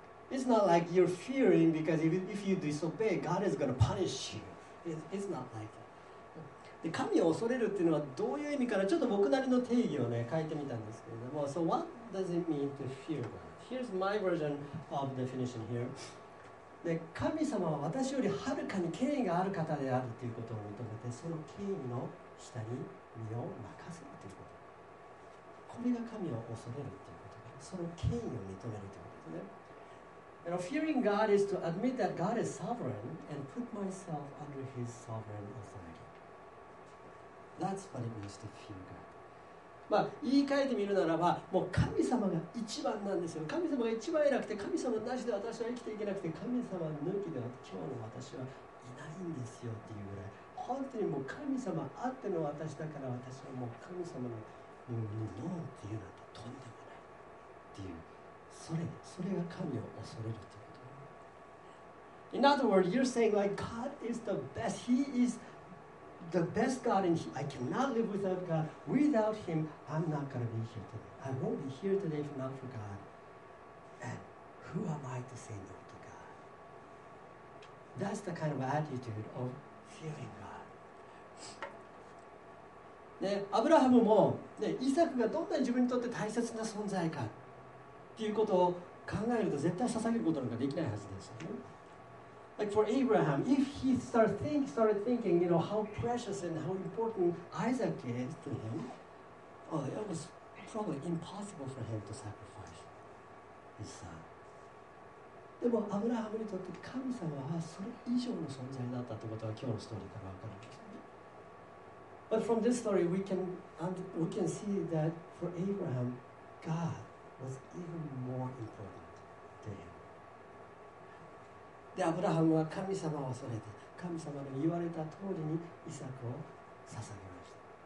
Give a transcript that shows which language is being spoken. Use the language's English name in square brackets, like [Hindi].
[English] It's not like you're fearing because if you disobey, God is going to punish you. It's not like that. [Japanese] で神を恐れるっていうのはどういう意味かな、ちょっと僕なりの定義をね書いてみたんですけれども、 [English] So what does it mean to fear God? Here's my version of definition here. [Japanese] で神様は私よりはるかに権威がある方であるということを認めて、その権威の下に身を任せるということ、これが神を恐れるということ、その権威を認めるということですね。 [English] You know, Fearing God is to admit that God is sovereign and put myself under his sovereign authority. That's what it means to fear God. [Japanese] まあ言い換えてみるならば、もう神様が一番なんですよ。神様が一番偉くて、神様なしで私は生きていけなくて、神様抜きで今日の私はいないんですよっていうぐらい、本当にもう神様あっての私だから、私はもう神様のノーっていうなんてとんでもないっていう、それが神を恐れるということ。 [English] In other words, you're saying like God is the best, He is the best God, and I cannot live without God. Without Him, I'm not going to be here today. I won't be here today if not for God. And who am I to say no to God? That's the kind of attitude of fearing God. [Japanese] ね、アブラハムも、ね、イサクがどんなに自分にとって大切な存在かっていうことを考えると、絶対捧げることなんかできないはずですよね。 [English] Like for Abraham, if he started thinking, you know, how precious and how important Isaac is to him, oh, it was probably impossible for him to sacrifice his son. [Japanese] でもアブラハムにとって神様はそれ以上の存在だったということは今日のストーリーから分かるんですね。 [English] But from this story, we can see that for Abraham, God was even more important to him. [Japanese] でアブラハムは神様を恐れて、神様の言われた通りにイサクを捧げました。